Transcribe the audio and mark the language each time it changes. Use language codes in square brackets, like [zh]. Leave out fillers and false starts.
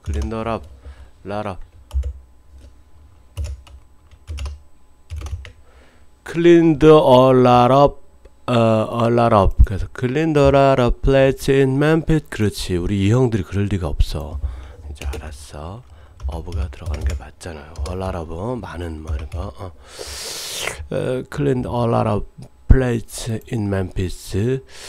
[en] cleaned a lot of cleaned a lot up, a lot up. [ko] 그래서 [en] cleaned a lot of place in Memphis. 그렇지. [ko] 우리 이 형들이 그럴 리가 없어. 이제 알았어. of가 들어가는 게 맞잖아요. a lot of, 많은 뭐 이런 거. [en] cleaned a lot of place in Memphis.